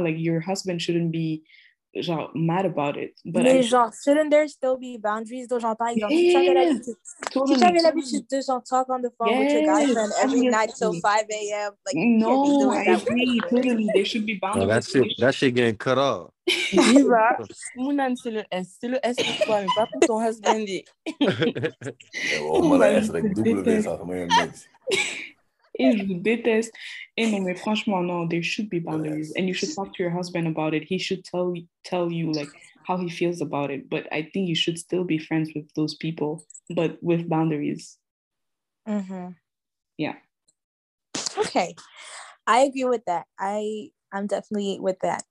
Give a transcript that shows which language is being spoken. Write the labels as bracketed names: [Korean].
[English] Like, your husband shouldn't be, genre, mad about it. But mais genre, shouldn't there still be boundaries, though, genre, [French] par exemple, [English] yeah, [French] si tu avais l'habitude de, [English] genre, talk on the phone with your guyfriend every night till 5 a.m., like, no, I agree, totally, there should be boundaries. Well, that shit getting cut off. Viva. [French] Mounan, c'est le S pour toi, mais pas pour ton husband. Ouais, on m'a la S avec double V, ça, comment il y a un mix. Et je vous déteste. Et non, mais franchement, non, [English] there should be boundaries. And you should talk to your husband about it. He should tell you, like, how he feels about it. But I think you should still be friends with those people, but with boundaries. Mm-hmm. Yeah. Okay. I agree with that. I'm definitely with that.